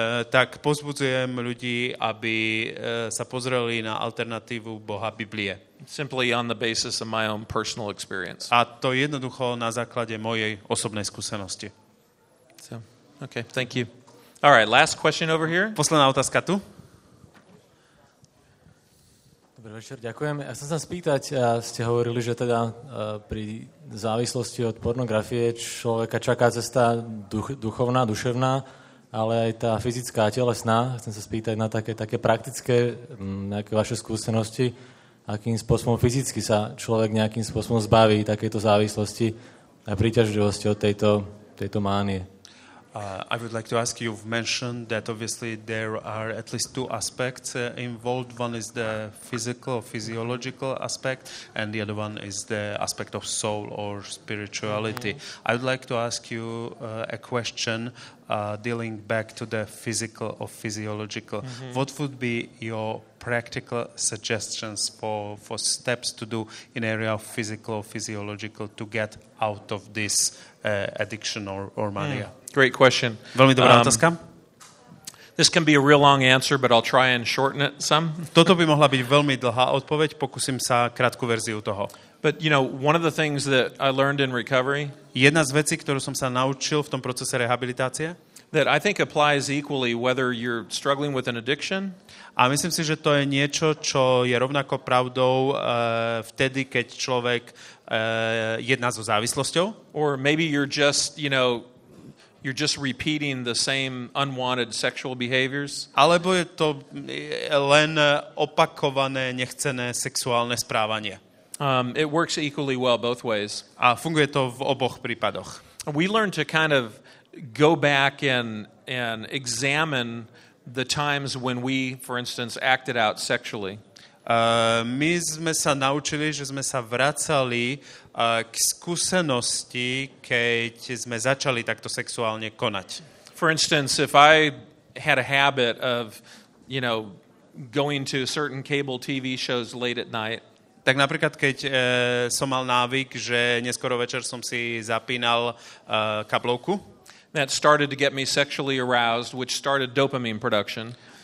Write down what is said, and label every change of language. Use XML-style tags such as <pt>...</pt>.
<sk>Tak pozbudzujem ľudí, aby sa pozreli na alternatívu Boha Biblie.</sk> <en>Simply on the basis of my own personal experience.</en> <sk>A to jednoducho na základe mojej osobnej skúsenosti.</sk> <en>So, okay, thank you. All right, last question over here.</en> <sk>Posledná otázka tu. Dobrý večer, ďakujem. Ja som sa spýtať, ste hovorili, že teda pri závislosti od pornografie človeka čaká cesta duchovná, duševná, ale aj tá fyzická a telesná. Chcem sa spýtať na také praktické nejaké vaše skúsenosti, akým spôsobom fyzicky sa človek nejakým spôsobom zbaví takejto závislosti a príťažlivosti od tejto mánie.</sk> <en>I would like to ask, you've mentioned that obviously there are at least two aspects involved. One is the physical or physiological aspect, and the other one is the aspect of soul or spirituality. Mm-hmm. I would like to ask you a question dealing back to the physical or physiological. Mm-hmm. What would be your practical suggestions for steps to do in area of physical or physiological to get out of this addiction or mania? Mm. Great question.</en> <sk>Veľmi dobrá otázka.</sk> <en>This can be a real long answer, but I'll try and shorten it some.</en> <sk>Toto by mohla byť veľmi dlhá odpoveď, pokúsim sa krátku verziu toho.</sk> <en>But you know, one of the things that I learned in recovery,</en> <sk>jedna z vecí, ktorú som sa naučil v tom procese rehabilitácie,</sk> <en>that I think applies equally whether you're struggling with an addiction.</en> <sk>A myslím si, že to je niečo, čo je rovnako pravdou vtedy, keď človek jedná so závislosťou,</sk> <en>or maybe you're just, you know, you're just repeating the same unwanted sexual behaviors.</en> <sk>Alebo je to len opakované nechcené sexuálne správanie.</sk> <en>It works equally well both ways.</en> <sk>A funguje to v oboch prípadoch.</sk> <en>We learn to kind of go back and examine the times when we, for instance, acted out sexually.</en> <sk>My sme sa naučili, že sme sa vracali k skúsenosti, keď sme začali takto sexuálne konať.</sk> <en>For instance, if I had a habit of, you know, going to certain cable TV shows late at night,</en> <sk>tak napríklad, keď som mal návyk, že neskoro večer som si zapínal kablovku,</sk> <en>that started to get me sexually aroused, which started dopamine production.</en>